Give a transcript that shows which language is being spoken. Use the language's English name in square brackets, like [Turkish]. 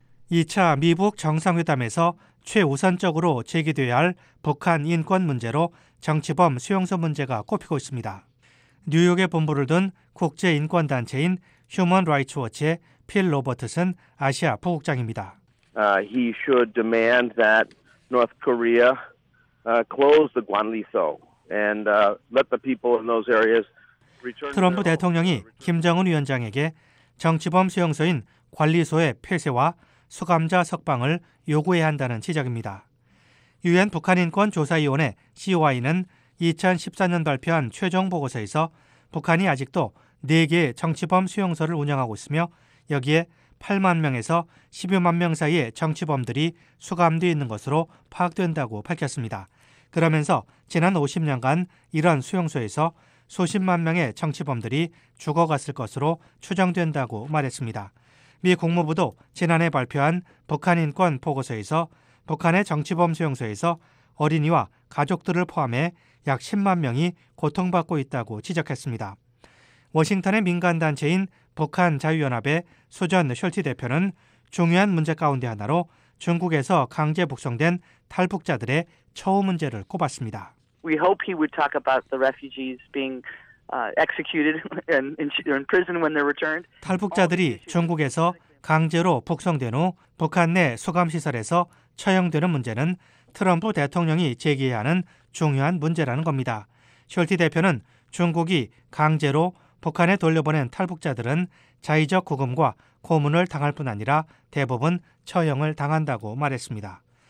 [Korean] 2차 미북 정상회담에서 최우선적으로 제기돼야 할 북한 인권 문제로 정치범 수용소 문제가 꼽히고 있습니다. 뉴욕에 본부를 둔 국제인권단체인 휴먼 라이츠 워치의 필 로버트슨 아시아 부국장입니다. [English] He should demand that North Korea close the Gwangli-so and let the people in those areas return. [Korean] 트럼프 대통령이 김정은 위원장에게 정치범 수용소인 관리소의 폐쇄와 수감자 석방을 요구해야 한다는 지적입니다. 유엔 북한인권조사위원회 COI는 2014년 발표한 최종 보고서에서 북한이 아직도 4개의 정치범 수용소를 운영하고 있으며 여기에 8만 명에서 12만 명 사이의 정치범들이 수감되어 있는 것으로 파악된다고 밝혔습니다. 그러면서 지난 50년간 이런 수용소에서 수십만 명의 정치범들이 죽어갔을 것으로 추정된다고 말했습니다. 미 국무부도 지난해 발표한 북한인권 보고서에서 북한의 정치범 수용소에서 어린이와 가족들을 포함해 약 10만 명이 고통받고 있다고 지적했습니다. 워싱턴의 민간단체인 북한자유연합의 수전 숄티 대표는 중요한 문제 가운데 하나로 중국에서 강제 북송된 탈북자들의 처우 문제를 꼽았습니다. [English] We hope he would talk about the refugees being executed and in prison when they're returned. [Korean] 탈북자들이 중국에서 강제로 북송된 후 북한 내 수감시설에서 처형되는 문제는 트럼프 대통령이 제기해야 하는 중요한 문제라는 겁니다. 숄티 대표는 중국이 강제로 북한에 돌려보낸 탈북자들은 자의적 구금과 고문을 당할 뿐 아니라 대부분 처형을 당한다고 말했습니다.